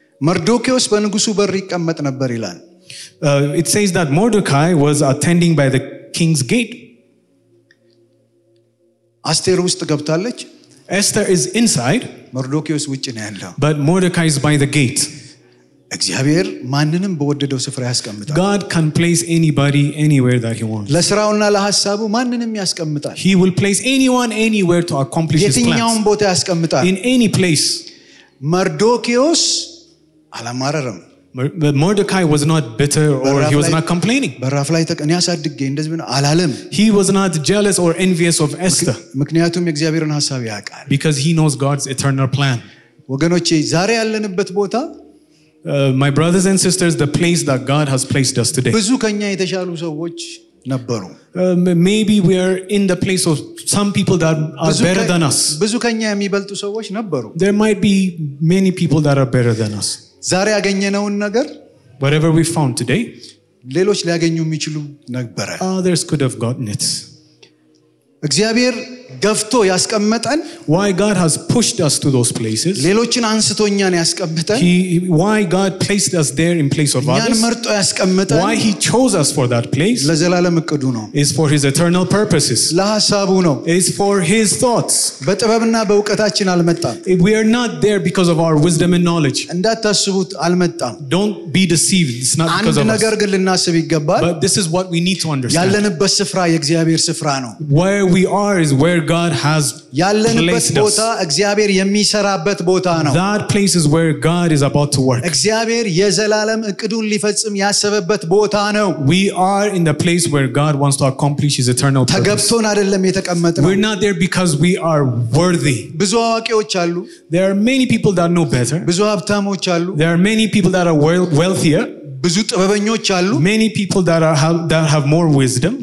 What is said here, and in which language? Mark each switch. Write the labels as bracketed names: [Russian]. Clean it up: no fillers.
[Amharic] መርዶክዮስ በንጉሱ በር ይቀመጥ ነበር ይላል [English] it says that Mordecai was attending by the king's gate [Amharic] አስቴር ውስጥ ገብታለች [English] Esther is inside Mordecai's witch in hand but Mordecai is by the gate [Amharic] እግዚአብሔር ማንንም በወደደው ስፍራ ያስቀምጣል [English] God can place anybody anywhere that he wants [Amharic] ለስራውና ለሐሳቡ ማንንም ያስቀምጣል [English] He will place anyone anywhere to accomplish his plans [Amharic] የትኛውን ቦታ ያስቀምጣል [English] in any place [Amharic] Mordecai's አላማረረም [English] Mordecai was not bitter or he was not complaining. [Amharic] በራፍላይት እኔ አሳድገኝ እንደዚህ ነው አላለም. [English] He was not jealous or envious of Esther. [Amharic] ምክንያቱም የእግዚአብሔርን ሐሳብ ያውቃል. [English] Because he knows God's eternal plan. [Amharic] ወገኖቼ ዛሬ ያለንበት ቦታ [English] my brothers and sisters the place that God has placed us today. [Amharic] ብዙ ከኛ የተሻሉ ሰዎች ነበሩ. [English] Maybe we are in the place of some people that are better than us. [Amharic] ብዙ ከኛ የሚበልጡ ሰዎች ነበሩ. [English] There might be many people that are better than us. [Amharic] ዛሬ ያገኘነውን ነገር [English] whatever we found today [Amharic] ሌሎች ሊያገኙ የሚችሉ ነበር [English] others could have gotten it [Amharic] እግዚአብሔር ገፍቶ ያስቀመጠን [English] why god has pushed us to those places [Amharic] ሌሎችን አንስቶኛን ያስቀመጠን [English] why god placed us there in place of others [Amharic] ያን መርጦ ያስቀመጠን [English] why he chose us for that place [Amharic] ለዘላለም እቅዱ ነው [English] is for his eternal purposes [Amharic] ለሐሳቡ ነው [English] is for his thoughts [Amharic] በጥበብና በእውቀታችን አልመጣ [English] we are not there because of our wisdom and knowledge [Amharic] እንዳታስቡት አልመጣ [English] don't be deceived it's not because of us [Amharic] አንድ ነገር ግን ልናስብ ይገባል [English] but this is what we need to understand [Amharic] ያለንበት ስፍራ የእግዚአብሔር ስፍራ ነው [English] where we are is where God has [Amharic] ያለንበት ቦታ እግዚአብሔር የሚሰራበት ቦታ ነው [English] that place is where God is about to work [Amharic] እግዚአብሔር የዘላለም እቅዱን ሊፈጽም ያሰበበት ቦታ ነው [English] we are in the place where God wants to accomplish his eternal purpose [Amharic] ተገብቶን አይደለም የተቀመጠው [English] we're not there because we are worthy [Amharic] ብዙ አዋቂዎች አሉ [English] there are many people that know better [Amharic] ብዙ ሀብታሞች አሉ [English] there are many people that are wealthier [Amharic] ብዙ ጥበበኞች አሉ [English] many people that have more wisdom